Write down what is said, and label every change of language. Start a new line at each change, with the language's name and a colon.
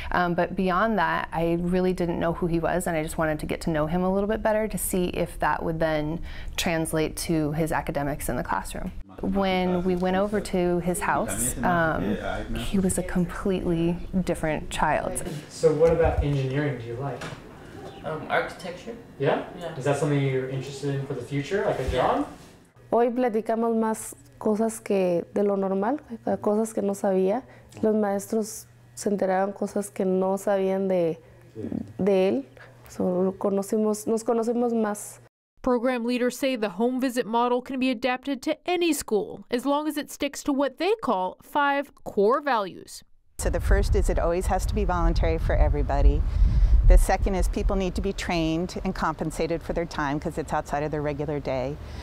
English: But beyond that, I really didn't know who he was, and I just wanted to get to know him a little bit better to see if that would then translate to his academics in the classroom. When we went over to his house, he was a completely different child. So what about engineering do you like? Architecture. Yeah? Is that something you're interested in for the future, like a job?
Spanish: Hoy platicamos más cosas que de lo normal, cosas que no sabía. Los maestros se enteraron cosas que no sabían de él. So, nos conocimos más.
English: Program leaders say the home visit model can be adapted to any school as long as it sticks to what they call 5 core values. So the first is it always has to be voluntary for everybody. The second is people need to be trained and compensated for their time because it's outside of their regular day.